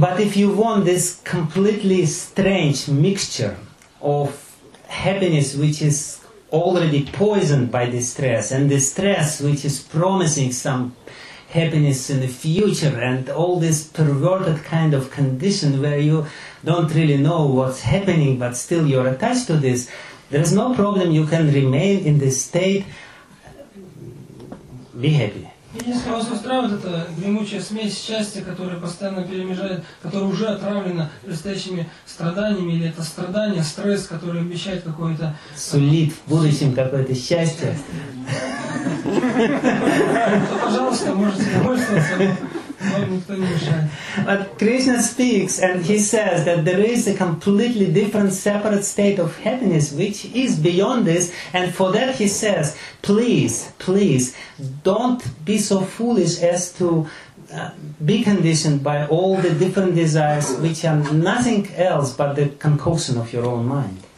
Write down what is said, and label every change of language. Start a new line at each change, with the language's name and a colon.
English: But if you want this completely strange mixture of happiness which is already poisoned by distress, and distress which is promising some happiness in the future, and all this perverted kind of condition where you don't really know what's happening, but still you're attached to this, there's no problem, you can remain in this state, be happy.
Russian: Если вас устраивает эта гремучая смесь счастья, которая постоянно перемежает, которая уже отравлена предстоящими страданиями, или это страдание, стресс, который обещает какое-то... Сулит в будущем какое-то счастье. То, пожалуйста, можете довольствоваться, вам никто не мешает.
English: But Krishna speaks, and he says that there is a completely different, separate state of happiness, which is beyond this, and for that he says, please, don't be so foolish as to be conditioned by all the different desires, which are nothing else but the concoction of your own mind.